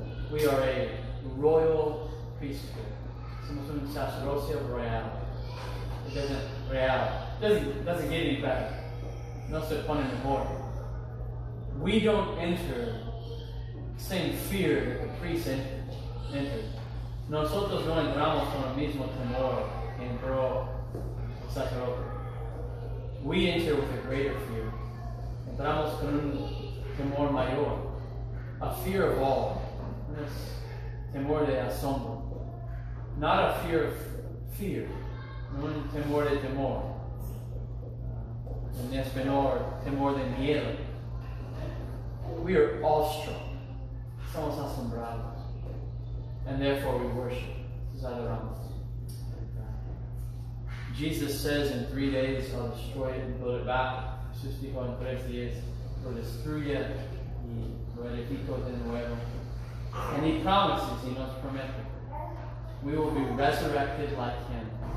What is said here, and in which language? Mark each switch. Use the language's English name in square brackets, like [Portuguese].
[English] We are a royal priesthood. [Spanish] Somos un sacerdocio real. [English] It doesn't real. It doesn't get any better. [Spanish] No se pone mejor. [English] We don't enter the same fear that the priest enters. [Spanish] Nosotros no entramos con el mismo temor que entró el sacerdote. [English] We enter with a greater fear. [Spanish] Entramos con un temor mayor. [English] A fear of all. [Spanish] Es temor de asombro. [English] Not a fear of fear. [Spanish] No un temor de temor. En español, temor de miedo. [English] We are awestruck. [Spanish] Somos asombrados. [English] And therefore we worship. This is adoramos. Jesus says, in 3 days I'll destroy it and build it back. [Spanish] Jesús dijo, en 3 días lo destruye y lo edifico de nuevo. [English] And he promises, he [Spanish] nos promete, [English] we will be resurrected like him.